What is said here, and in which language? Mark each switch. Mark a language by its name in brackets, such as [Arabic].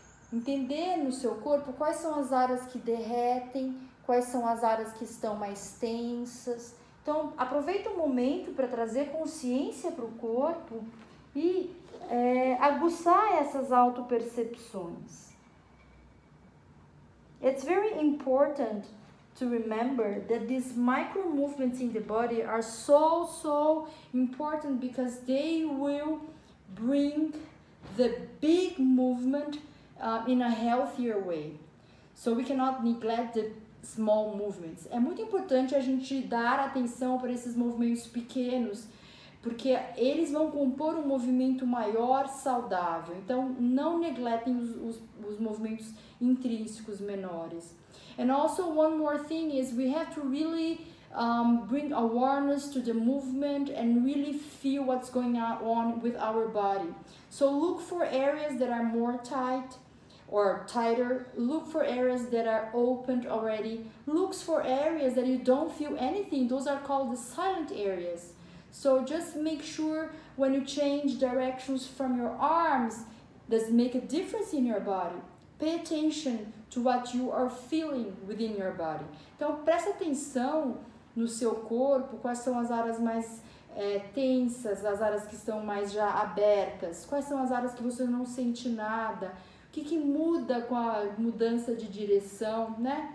[Portuguese] Entender no seu corpo quais são as áreas que derretem. Quais são as áreas que estão mais tensas. Então, aproveita o momento para trazer consciência para o corpo e aguçar essas auto-percepções. [English] It's very important to remember that these micro-movements in the body are so, so important because they will bring the big movement in a healthier way. So, we cannot neglect the small movements. [Portuguese] É muito importante a gente dar atenção para esses movimentos pequenos, porque eles vão compor um movimento maior saudável. Então, não negletem os movimentos intrínsecos menores. [English] And also, one more thing is we have to really bring awareness to the movement and really feel what's going on with our body. So, look for areas that are more tight. Or tighter, look for areas that are opened already. Look for areas that you don't feel anything. Those are called the silent areas. So just make sure when you change directions from your arms, does it make a difference in your body? Pay attention to what you are feeling within your body. [Portuguese] Então, presta atenção no seu corpo, quais são as áreas mais tensas, as áreas que estão mais já abertas, quais são as áreas que você não sente nada. que muda com a mudança de direção, né?